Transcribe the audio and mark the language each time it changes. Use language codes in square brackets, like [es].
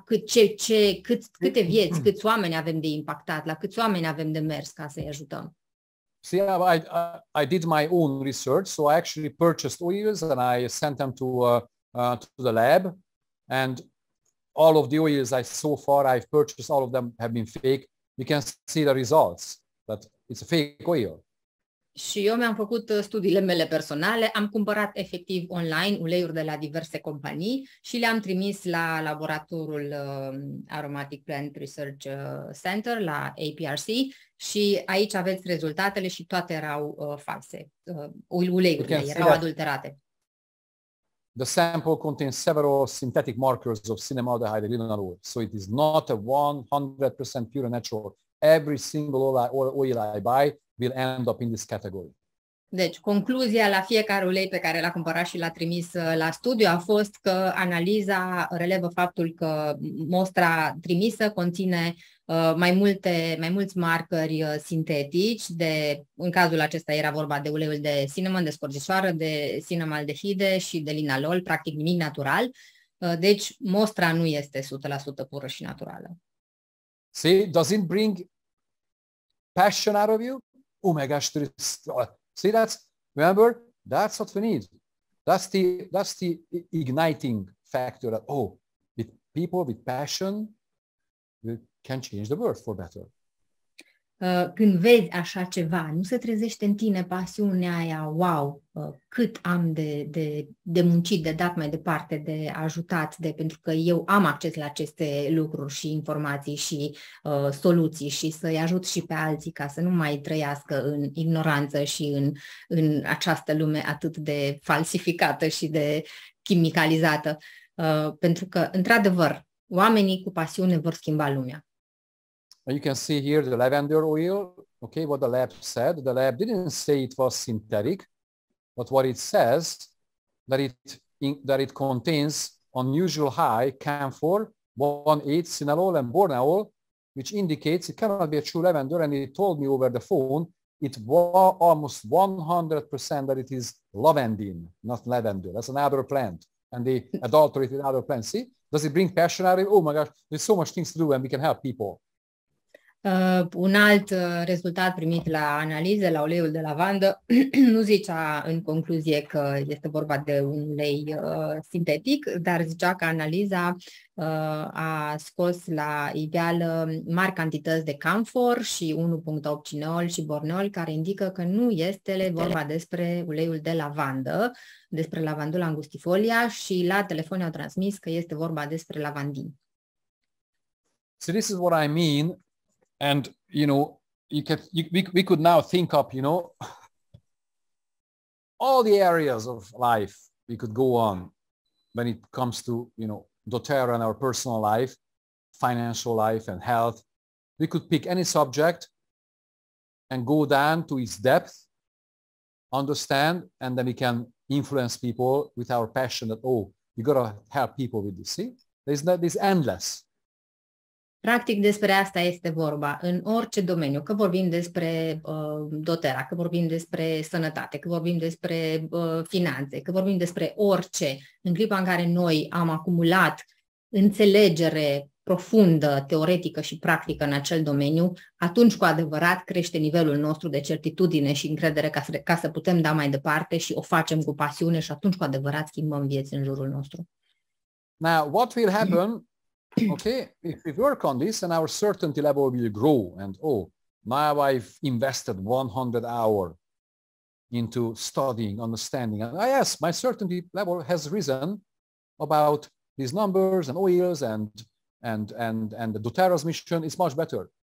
[ro] Câte vieți, câți oameni avem de impactat, la câți oameni avem de mers ca să-i ajutăm? [en] See, I did my own research, so I actually purchased oils and I sent them to the lab, and all of the oils I've purchased, all of them have been fake. You can see the results, but it's a fake oil. [ro] Și eu mi-am făcut studiile mele personale, am cumpărat efectiv online uleiuri de la diverse companii și le-am trimis la laboratorul Aromatic Plant Research Center, la APRC, și aici aveți rezultatele și toate erau false. Uleiurile erau adulterate. [en] The sample contains several synthetic markers of cinnamaldehyde linalool oil, so it is not a 100% pure and natural. Every single oil I buy will end up in this category. [ro] Deci, concluzia la fiecare ulei pe care l-a cumpărat și l-a trimis la studiu a fost că analiza relevă faptul că mostra trimisă conține mai mulți markeri sintetici, în cazul acesta era vorba de uleiul de cinnamon, de scorțișoară, de cinnamaldehide și de linalol, practic nimic natural. Deci, mostra nu este 100% pură și naturală. [en] See, does it bring passion out of you? Omega 3. See, that's what we need. That's the igniting factor that, oh, with people with passion, we can change the world for better. [ro] Când vezi așa ceva, nu se trezește în tine pasiunea aia, wow, cât am de muncit, de dat mai departe, de ajutat, pentru că eu am acces la aceste lucruri și informații și soluții și să-i ajut și pe alții ca să nu mai trăiască în ignoranță și în această lume atât de falsificată și de chimicalizată, pentru că, într-adevăr, oamenii cu pasiune vor schimba lumea. [en] You can see here the lavender oil, okay, what the lab said. The lab didn't say it was synthetic, but what it says, that it contains unusual high camphor, 1,8 cinnalol and borneol, which indicates it cannot be a true lavender, and it told me over the phone, it was almost 100% that it is lavandin, not lavender. That's another plant, and the adulterated other plant. See, does it bring passion out of it? Oh my gosh, there's so much things to do and we can help people. [ro] Un alt rezultat primit la analize, la uleiul de lavandă, nu zicea în concluzie că este vorba de un ulei sintetic, dar zicea că analiza a scos la iveală mari cantități de camfor și 1,8 cinol și borneol, care indică că nu este vorba despre uleiul de lavandă, despre lavandula angustifolia, și la telefon i-au transmis că este vorba despre lavandin. [en] So this is what I mean. And you know, we could now think up, you know, all the areas of life we could go on when it comes to, you know, doTERRA and our personal life, financial life and health. We could pick any subject and go down to its depth, understand, and then we can influence people with our passion that, oh, you gotta help people with this. See, there's endless. [ro] Practic despre asta este vorba în orice domeniu, că vorbim despre doTERRA, că vorbim despre sănătate, că vorbim despre finanțe, că vorbim despre orice. În clipa în care noi am acumulat înțelegere profundă, teoretică și practică în acel domeniu, atunci cu adevărat crește nivelul nostru de certitudine și încredere ca să putem da mai departe și o facem cu pasiune și atunci cu adevărat schimbăm vieți în jurul nostru. [en] Now, what will happen? Okay, if we work on this and our certainty level will grow and, oh, now I've invested 100 hours into studying, understanding. And yes, my certainty level has risen about these numbers and oils and the doTERRA's mission is much better.